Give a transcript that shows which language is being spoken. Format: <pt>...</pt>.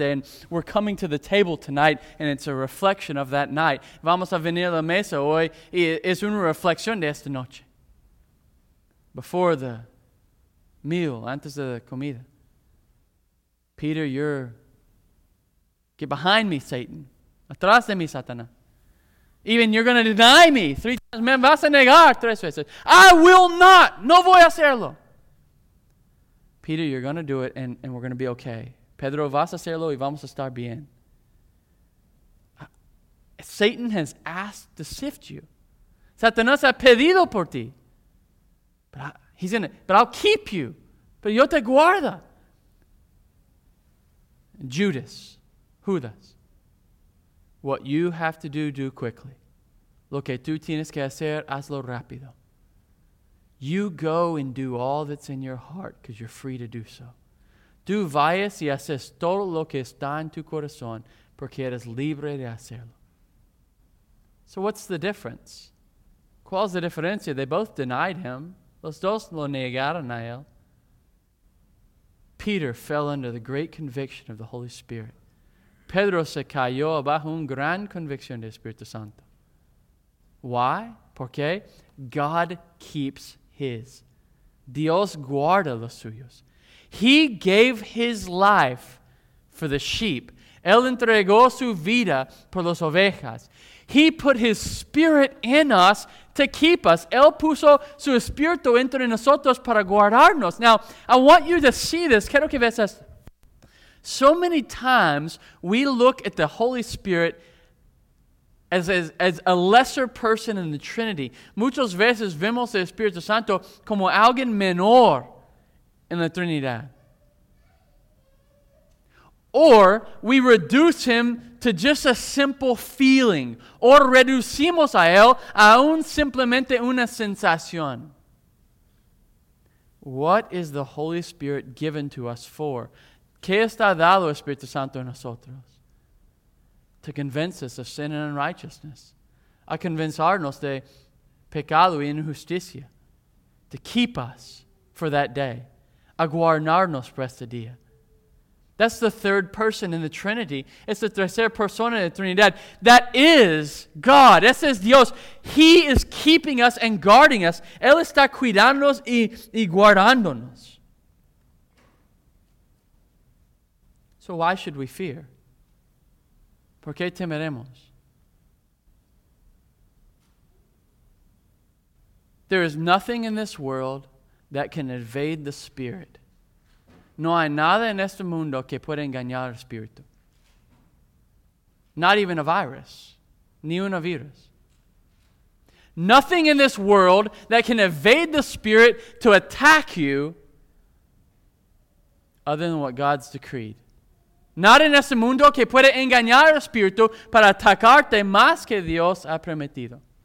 <en>And we're coming to the table tonight, and it's a reflection of that night.</en> <es>Vamos a venir a la mesa hoy, y es una reflexión de esta noche.</es> <en>Before the meal,</en> <es>antes de la comida.</es> <en>Peter, you're... Get behind me, Satan.</en> <es>Atrás de mí, Satanás.</es> <en>Even you're going to deny me. Three times,</en> <es>me vas a negar tres veces.</es> <en>I will not.</en> <es>No voy a hacerlo.</es> <en>Peter, you're going to do it, and we're going to be okay.</en> <es>Pedro, vas a hacerlo y vamos a estar bien.</es> <en>Satan has asked to sift you.</en> <es>Satanás ha pedido por ti.</es> <en>But I'll keep you.</en> <es>Pero yo te guarda.</es> <en>Judas, Judas. What you have to do, do quickly.</en> <es>Lo que tú tienes que hacer, hazlo rápido.</es> <en>You go and do all that's in your heart because you're free to do so.</en> <es>Tú vayas y haces todo lo que está en tu corazón porque eres libre de hacerlo.</es> <en>So what's the difference?</en> <es>¿Cuál es la diferencia?</es> <en>They both denied him.</en> <es>Los dos lo negaron a él.</es> <en>Peter fell under the great conviction of the Holy Spirit.</en> <es>Pedro se cayó bajo una gran convicción del Espíritu Santo.</es> <en>Why?</en> <es>¿Por qué?</es> <en>God keeps his. Dios guarda los suyos. He gave his life for the sheep.</en> <es>Él entregó su vida por las ovejas.</es> <en>He put his spirit in us to keep us.</en> <es>Él puso su espíritu entre nosotros para guardarnos.</es> <en>Now, I want you to see this.</en> <es>Quiero que veas esto.</es> <en>So many times we look at the Holy Spirit as a lesser person in the Trinity.</en> <es>Muchas veces vemos el Espíritu Santo como alguien menor en la Trinidad.</es> <en>Or we reduce him to just a simple feeling.</en> <es>Or reducimos a él a un simplemente una sensación.</es> <en>What is the Holy Spirit given to us for?</en> <es>¿Qué está dado el Espíritu Santo a nosotros?</es> <en>To convince us of sin and unrighteousness.</en> <es>A convencernos de pecado y injusticia.</es> <en>To keep us for that day.</en> <es>A guardarnos por este día.</es> <en>That's the third person in the Trinity.</en> <es>Es la tercera persona de la Trinidad.</es> <en>That is God.</en> <es>Ese es Dios.</es> <en>He is keeping us and guarding us.</en> <es>Él está cuidándonos y guardándonos.</es> <en>So why should we fear?</en> <es>¿Por qué temeremos?</es> <en>There is nothing in this world that can evade the Spirit.</en> <es>No hay nada en este mundo que pueda engañar al espíritu.</es> <en>Not even a virus.</en> <es>Ni un virus.</es> <en>Nothing in this world that can evade the spirit to attack you other than what God's decreed.</en> <es>Nada en este mundo que pueda engañar al espíritu para atacarte más que Dios ha permitido.</es>